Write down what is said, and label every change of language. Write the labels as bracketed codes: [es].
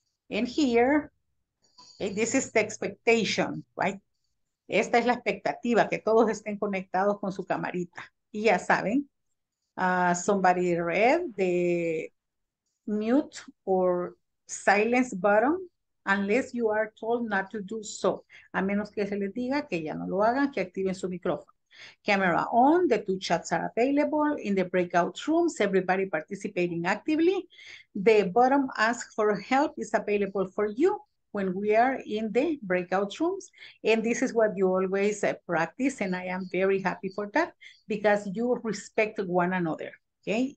[en] And here, okay, this is the expectation, right? [es] Esta es la expectativa, que todos estén conectados con su camarita. Y ya saben, [en] somebody read the mute or silence button unless you are told not to do so. [es] A menos que se les diga que ya no lo hagan, que activen su micrófono. [en] Camera on, the two chats are available in the breakout rooms, everybody participating actively. The button ask for help is available for you when we are in the breakout rooms. And this is what you always practice. And I am very happy for that because you respect one another, okay?